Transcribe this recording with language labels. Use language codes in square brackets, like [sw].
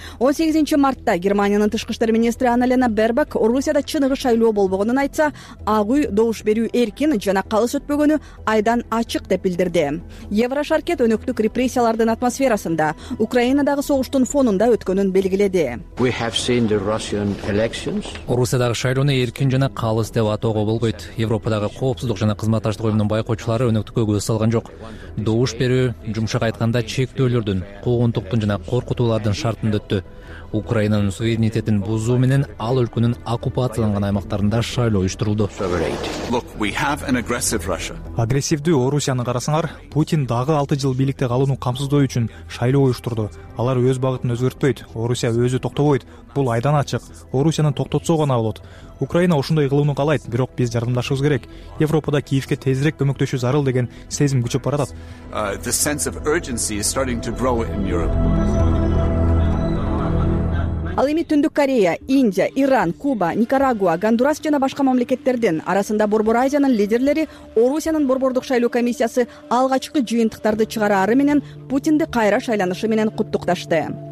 [ky] 18 мартта Германиянын тышкы иштер министри Анна-Лена Бербак Орусияда чыныгы шайлоо болбогонун айтса, Ак Үй добуш берүү эркин жана калыс өтпөгөнү айдан ачык деп билдирди. Еврошаркет өнөктүк репрессиялардын атмосферасында Украина дагы согуштун фонунда өткөнүн белгиледи. [en] We have seen the Russian elections. [ky] Орусиядагы шайлоону эркин жана калыс деп атоого болбойт. Европадагы коопсуздук жана кызматташтык уюмунун байкоочулары өнөктүккө көз салган жок. Добуш берүү жумшак айтканда чектөөлөрдүн, куугунтуктун жана коркутуулардын шартында өттү. Украинанын суверенитетин бузуу менен ал өлкөнүн оккупацияланган аймактарында шайлоо уюштурулду. [en] Look, we have an aggressive Russia. [ky] Агрессивдүү Орусияны карасаңар, Путин дагы 6 жыл бийликте калууну камсыздоо үчүн шайлоо уюштурду. Алар өз багытын өзгөртпөйт. Орусия өзү токтобойт. Бул айдан ачык. Орусияны токтотсо гана болот. Украина ошондой кылууну каалайт, бирок биз жардамдашыбыз керек. Европада Киевке тезирээк көмөктөшүү зарыл деген сезим күчөп баратат. [en] The sense of urgency is starting to grow in Europe. [ky] Ал эми Түндүк Корея, Индия, Иран, Куба, Никарагуа, Гондурас жана башка мамлекеттердин арасында Борбор Азиянын лидерлери Орусиянын борбордук шайлоо комиссиясы алгачкы жыйынтыктарды чыгараары менен Путинди кайра шайланышы менен куттукташты.